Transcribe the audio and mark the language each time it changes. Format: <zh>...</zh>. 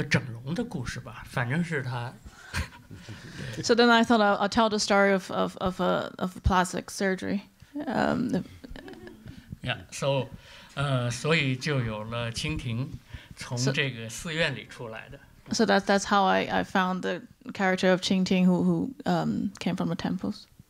<zh>后来我就想，那我就做一个整容的故事吧，反正是他。</zh> <en>So then I thought I'll tell the story of plastic surgery. Yeah. So.</en> <zh>所以就有了蜻蜓，从这个寺院里出来的。So</zh> <en>that's how I found the character of Qingting who came from the temples.</en>